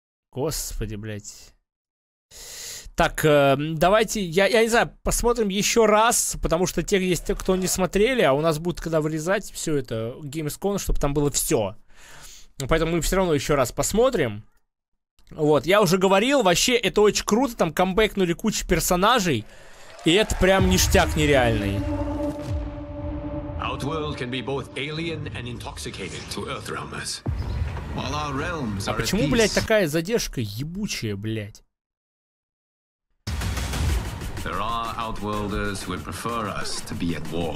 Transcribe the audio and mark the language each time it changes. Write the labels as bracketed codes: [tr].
[ru] Господи, блядь. Так, давайте, я не знаю, посмотрим еще раз, потому что те есть, кто не смотрели, а у нас будет когда вырезать все это, Gamescom, чтобы там было все. Поэтому мы все равно еще раз посмотрим. Вот, я уже говорил, вообще, это очень круто, там камбэкнули кучу персонажей, и это прям ништяк нереальный. [en] Outworld can be both alien and intoxicated to Earthrealmers. While our realms are at peace. [ru] А почему, блядь, такая задержка ебучая, блядь? [en] There are outworlders who would prefer us to be at war.